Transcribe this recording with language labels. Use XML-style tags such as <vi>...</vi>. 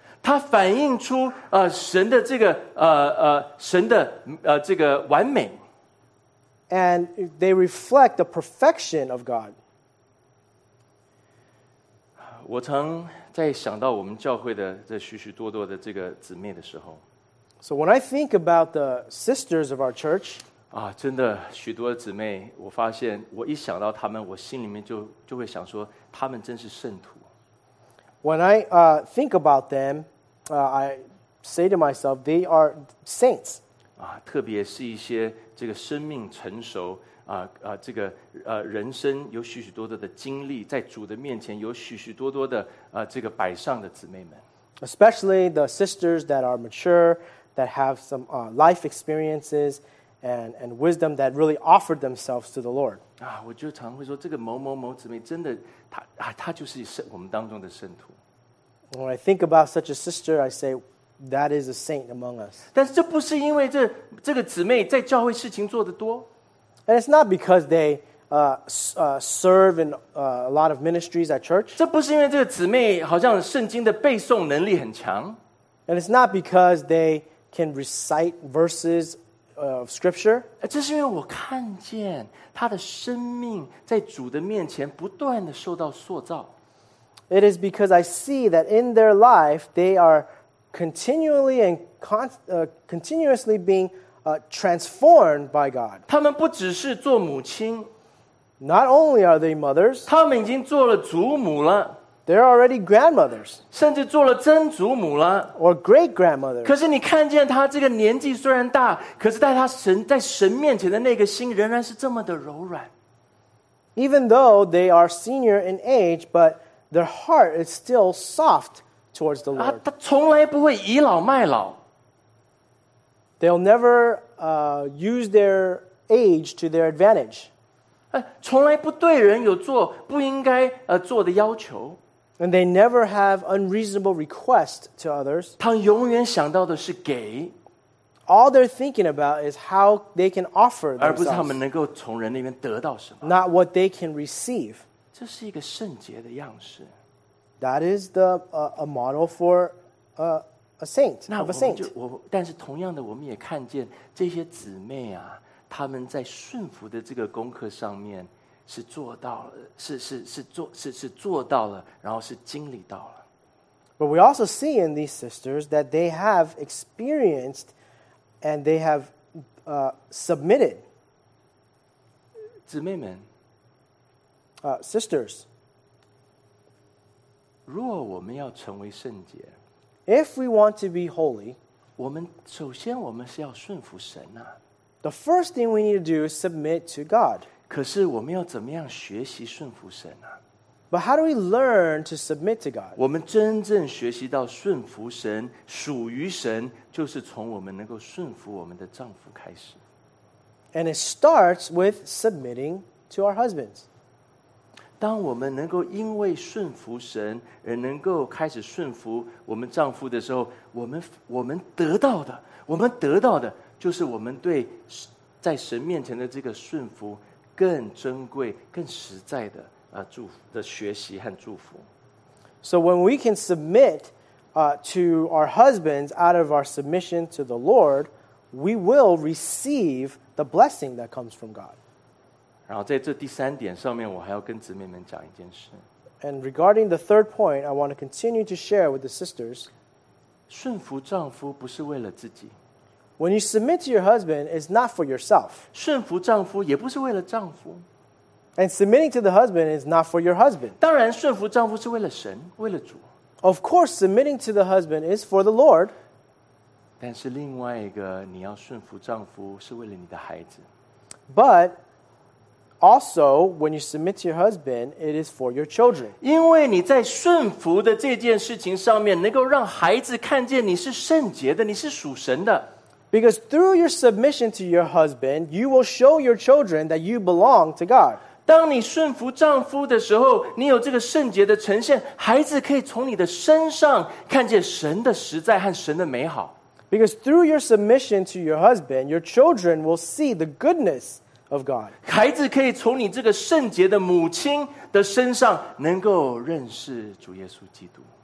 <zh>他反映出神的这个神的这个完美。</zh> <en>And they reflect the perfection of God.</en> <zh>我曾在想到我们教会的这许许多多的这个姊妹的时候。</zh> <en>So when I think about the sisters of our church,</en> <zh>啊，真的许多姊妹，我发现我一想到她们，我心里面就会想说，她们真是圣徒。</zh> <en>When I think about them, I say to myself, they are saints.</en> <zh>啊，特别是一些这个生命成熟这个人生有许许多多的经历，在主的面前有许许多多的这个摆上的姊妹们。</zh> <en>Especially the sisters that are mature, that have some life experiences and wisdom that really offered themselves to the Lord.</en> <zh>啊，我就常会说，这个某某某姊妹真的，她就是我们当中的圣徒。</zh> <en>When I think about such a sister, I say that is a saint among us.</en> <zh>但是这不是因为这个姊妹在教会事情做得多。</zh> <en>And it's not because they serve in a lot of ministries at church.</en> <zh>这不是因为这个姊妹好像圣经的背诵能力很强。</zh> <en>And it's not because they can recite verses of scripture.</en> <zh>这是因为我看见她的生命在主的面前不断地受到塑造。</zh> <en>It is because I see that in their life they are continually and continuously being transformed by God.</en> <zh>她们不只是做母亲。</zh> <en>Not only are they mothers,</en> <zh>她们已经做了祖母了。</zh> <en>They're already grandmothers.</en> <zh>甚至做了曾祖母了。</zh> <en>Or great grandmothers.</en> <zh>可是你看见她这个年纪虽然大，可是在神面前的那个心仍然是这么的柔软。</zh> <en>Even though they are senior in age, but their heart is still soft towards the Lord.</en> <zh>她从来不会倚老卖老。</zh> <en>They'll never use their age to their advantage.</en> <zh>从来不对人有做不应该做的要求。</zh> <en>And they never have unreasonable requests to others.</en> <zh>他永远想到的是给。</zh> <en>All they're thinking about is how they can offer themselves.</en> <zh>而不是他们能够从人那边得到什么。</zh> <en>Not what they can receive.</en> <zh>这是一个圣洁的样式。</zh> <en>That is a model for a saint, of a saint.</en> <zh>但是同样的我们也看见这些姊妹啊，他们在顺服的这个功课上面是做到了，是做到了，然后是经历到了。</zh> <en>But we also see in these sisters that they have experienced and they have submitted.</en> <zh>姊妹们</zh> <en>sisters.</en> <zh>若我们要成为圣洁，</zh> <en>If we want to be holy,</en> <zh>我们首先我们是要顺服神啊。</zh> <en>The first thing we need to do is submit to God.</en> <zh>可是我们要怎么样学习顺服神啊？</zh> <en>But how do we learn to submit to God?</en> <zh>我们真正学习到顺服神，属于神，就是从我们能够顺服我们的丈夫开始。</zh> <en>And it starts with submitting to our husbands.</en> <zh>当我们能够因为顺服神而能够开始顺服我们丈夫的时候，我们得到的就是我们对在神面前的这个顺服更珍贵、更实在的祝福的学习和祝福。</zh> <en>So when we can submit to our husbands out of our submission to the Lord, we will receive the blessing that comes from God.</en> <zh>然后在这第三点上面，我还要跟姊妹们讲一件事。</zh> <en>And regarding the third point, I want to continue to share with the sisters.</en> <zh>顺服丈夫不是为了自己。</zh> <en>When you submit to your husband, it's not for yourself.</en> <zh>顺服丈夫也不是为了丈夫。</zh> <en>And submitting to the husband is not for your husband.</en> <zh>当然顺服丈夫是为了神，为了主。</zh> <en>Of course, submitting to the husband is for the Lord.</en> <zh>但是另外一个，你要顺服丈夫是为了你的孩子。</zh> <en>But also, when you submit to your husband, it is for your children.</en> <zh>因为你在顺服的这件事情上面，能够让孩子看见你是圣洁的，你是属神的。</zh> <en>Because through your submission to your husband, you will show your children that you belong to God.</en> <zh>当你顺服丈夫的时候，你有这个圣洁的呈现，孩子可以从你的身上看见神的实在和神的美好。</zh> <en>Because through your submission to your husband, your children will see the goodness of God.</en> <zh>孩子可以从你这个圣洁的母亲的身上能够认识主耶稣基督。</zh>